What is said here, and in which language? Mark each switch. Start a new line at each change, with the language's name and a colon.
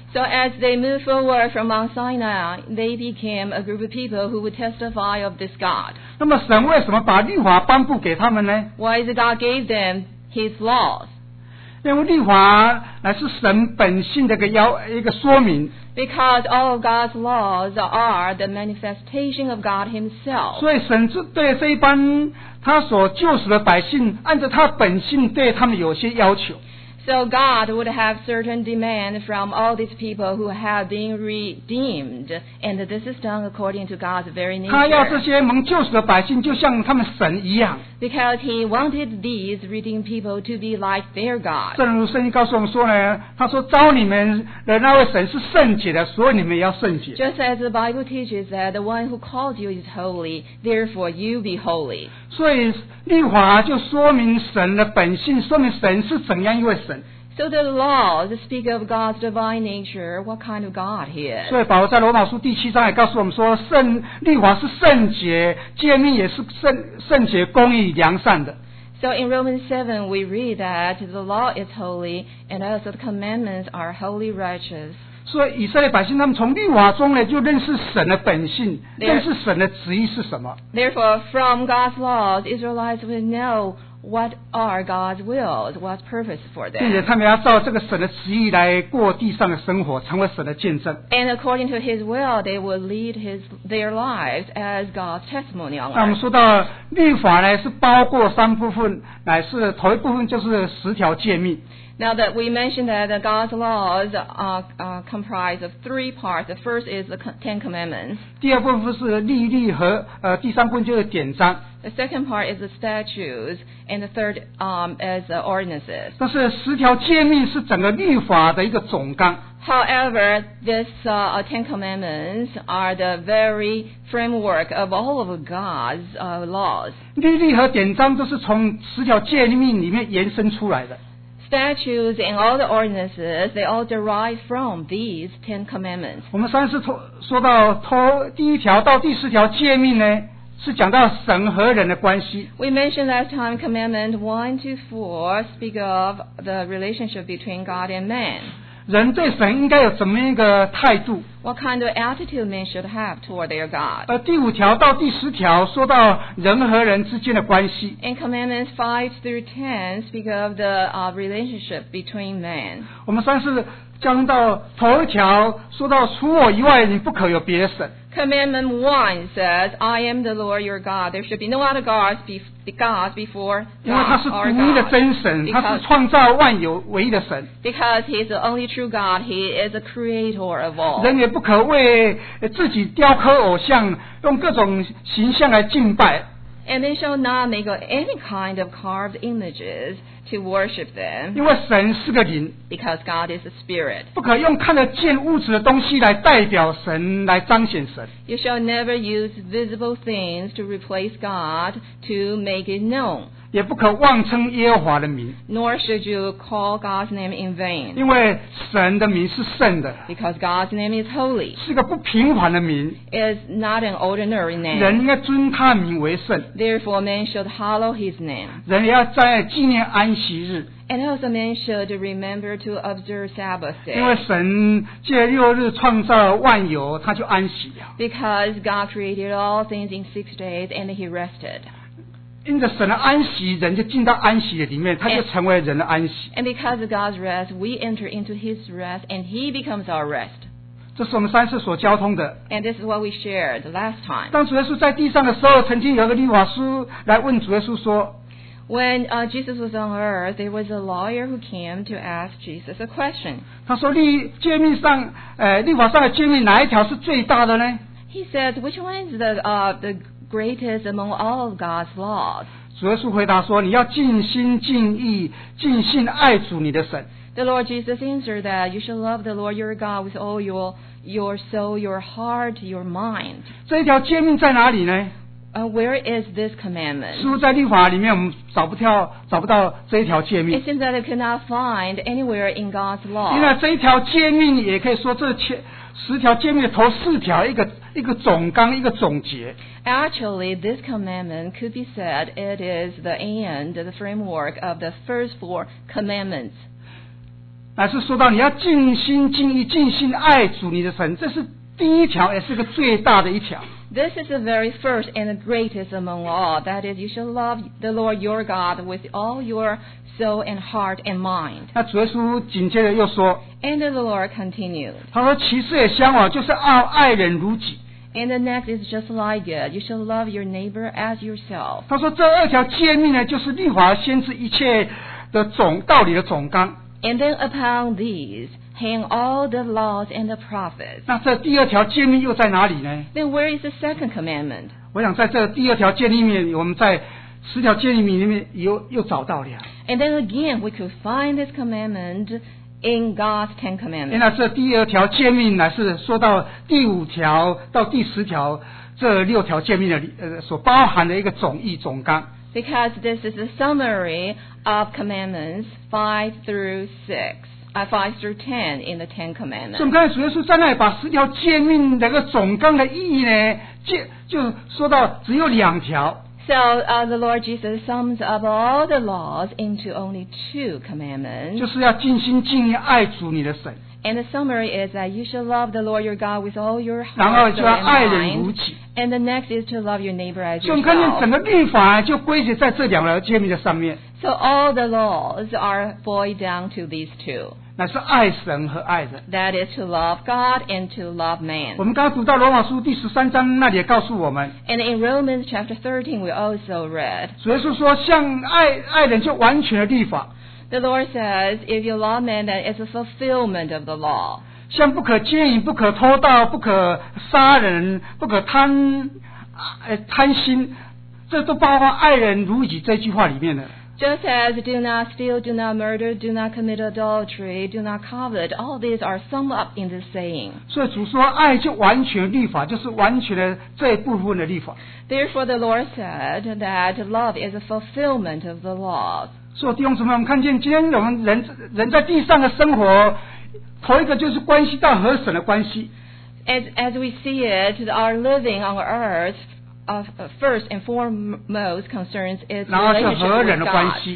English: So as they move forward from Mount Sinai, they became a group of people who would testify of this God.
Chinese: 那么神为什么把律法颁布给他们呢？
English: Why is it God gave them His laws?
Chinese: 因为律法乃是神本性的一个说明。
English: Because all of God's laws are the manifestation of God Himself.
Chinese: 所以神对这一般他所救赎的百姓，按照他本性对他们有些要求。
English: So So God would have certain demand from all these people who have been redeemed, and this is done according to God's very nature.
Chinese: 他要这些蒙救赎的百姓就像他们神一样。
English: Because he wanted these redeemed people to be like their God.
Chinese: 正如圣经告诉我们说呢，他说招你们的那位神是圣洁的，所以你们要圣洁。
English: Just as the Bible teaches that the one who called you is holy, therefore you be holy.
Chinese: 所以律法就说明神的本性，说明神是怎样一位神。
English: So the law speak of God's divine nature. What kind of God he is?
Chinese: 所以保罗在罗马书第七章也告诉我们说，圣律法是圣洁，诫命也是圣洁、公义、良善的。
English: So in Romans 7, we read that the law is holy, and also the commandments are holy, righteous.
Chinese: 所以以色列百姓他们从律法中呢，就认识神的本性，认识神的旨意是什么。
English: Therefore, from God's laws, Israelites would know. What are God's wills? What's purpose for them?
Chinese: 并且他们要照这个神的旨意来过地上的生活，成为神的见证。
English: And according to His will, they will lead their lives as God's testimony on earth.
Chinese: 那我们说到律法呢，是包括三部分，乃是头一部分就是十条诫命。
English: Now that we mentioned that the God's laws are comprised of three parts. The first is the Ten Commandments.
Chinese: 第二部分是律例和第三部分就是典章。
English: The second part is the statutes, and the third is the ordinances.
Chinese: 但是十条诫命是整个律法的一个总纲。
English: However, these Ten Commandments are the very framework of all of God's laws.
Chinese: 律例和典章都是从十条诫命里面延伸出来的。
English: Statutes and all the ordinances, they all derive from these Ten Commandments.
Chinese: 我们上次说到第一条到第四条诫命呢，是讲到神和人的关系。
English: We mentioned last time Commandment 1 to 4 speak of the relationship between God and man.
Chinese: 人对神应该有怎么一个态度？
English: What kind of attitude men should have toward their God?
Chinese: 第五条到第十条说到人和人之间的关系。
English: And Commandments 5 through 10 speak of the relationship between man.
Chinese: 我们上次讲到头一条说到除我以外你不可有别神。
English: Commandment 1 says, I am the Lord your God. There should be no other gods before God our God. Because he is the only true God, he is the creator of all.
Chinese: 人也不可为自己雕刻偶像，用各种形象来敬拜。
English: And they shall not make any kind of carved images to worship them.
Chinese: 因为神是个灵。
English: Because God is a spirit.
Chinese: 不可用看得见物质的东西来代表神，来彰显神。
English: You shall never use visible things to replace God to make it known.
Chinese: 也不可妄称耶和华的名。
English: Nor should you call God's name in vain.
Chinese: 因为神的名是圣的。
English: Because God's name is holy.
Chinese: 是个不平凡的名。
English: Is not an ordinary name.
Chinese: 人应该尊他名为圣。
English: Therefore, man should hallow his name.
Chinese: 人要在纪念安息日。
English: And also, man should remember to observe Sabbath day.
Chinese: 因为神借六日创造万有，他就安息了。
English: Because God created all things in 6 days, and he rested.
Chinese: 因着神的安息，人就进到安息的里面，他就成为人的安息。
English: And because of God's rest, we enter into His rest, and He becomes our rest.
Chinese: 这是我们上次所交通的。
English: And this is what we shared last time.
Chinese: 当主耶稣在地上的时候，曾经有个律法师来问主耶稣说
English: ，When Jesus was on earth, there was a lawyer who came to ask Jesus a question.
Chinese: 他说律法上的诫命哪一条是最大的呢
English: ？He says, which one is the greatest among all of God's laws.
Chinese: 主耶稣回答说，你要尽心尽意尽心爱主你的神。
English: The Lord Jesus answered that you should love the Lord your God with all your soul, your heart, your mind.
Chinese: 这一条诫命在哪里呢？
English: Where is this commandment?
Chinese: 似乎在律法里面我们找不到这一条诫命。
English: It seems that you cannot find anywhere in God's law.
Chinese: 因为这一条诫命也可以说这十条诫命的头四条一个总纲，一个总结。
English: Actually, this commandment could be said it is the end, the framework of the first four commandments.
Chinese: 乃是说到你要尽心尽意尽心爱主你的神，这是第一条，也是个最大的一条。
English: This is the very first and the greatest among all. That is, you shall love the Lord your God with all your soul and heart and mind.
Chinese: 那主耶稣紧接着又说
English: ，And the Lord continued.
Chinese: 他说其次也相往，就是要爱人如己。
English: And the next is just like it. You shall love your neighbor as yourself.
Chinese: 他说这二条诫命呢，就是律法先知一切的总道理的总纲。
English: And then upon these hang all the laws and the prophets.
Chinese: 那这第二条诫命又在哪里呢？
English: Then where is the second commandment?
Chinese: 我想在这第二条诫命里面，我们在十条诫命里面又找到了。
English: And then again, we could find this commandment in God's Ten Commandments.
Chinese: 原来这第二条诫命乃是说到第五条到第十条这六条诫命的所包含的一个总意总纲。
English: Because this is a summary of commandments 5 through 6, 5 through 10 in the Ten Commandments.
Chinese: 所以我们刚才主耶稣在那里把十条诫命的一个总纲的意义呢，就说到只有两条。
English: So the Lord Jesus sums up all the laws into only two commandments.
Chinese: 就是要尽心尽意爱主你的神。
English: And the summary is that you shall love the Lord your God with all your heart.
Chinese: 然后就要爱人如己。
English: And the next is to love your neighbor as yourself.
Chinese: 所以我们看见整个律法就归结在这两条诫命的上面。
English: So all the laws are boiled down to these two.
Chinese: 那是爱神和爱人。
English: That is to love God and to love man.
Chinese: 我们刚刚读到罗马书第十三章那里也告诉我们。
English: And in Romans chapter 13 we also read.
Chinese: 主耶稣说像爱人就完全的律法。
English: The Lord says, if you love man, then it's a fulfillment of the law.
Chinese: 像不可奸淫，不可偷盗，不可杀人，不可贪心，这都包括爱人如己这句话里面的。
English: Just as do not steal, do not murder, do not commit adultery, do not covet, all these are summed up in this saying.
Chinese: 所以主说爱就完全律法，就是完全的这一部分的律法。
English: Therefore the Lord said that love is a fulfillment of the law.
Chinese: 所以弟兄姊妹，我们看见今天我们 人在地上的生活，头一个就是关系到和神的关系。
English: As we see it, our living on earth,first and foremost concerns is relationship with God.